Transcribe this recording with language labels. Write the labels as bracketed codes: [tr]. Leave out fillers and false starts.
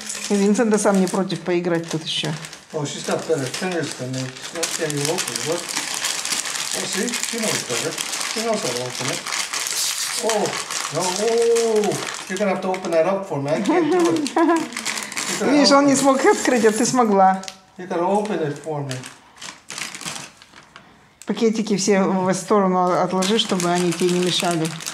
[ru] Винсента сам не против поиграть тут еще. [en] Oh, she's got better fingers than me. She's not getting you open. Look. Oh, see? She knows better. She knows how to open it. Oh, no. Oh, you're going to have to open that up for me. I can't do it. [ru] Видишь, он не смог открыть, а ты смогла. [en] You got to open it for me. [ru] Пакетики все в сторону отложи, чтобы они тебе не мешали.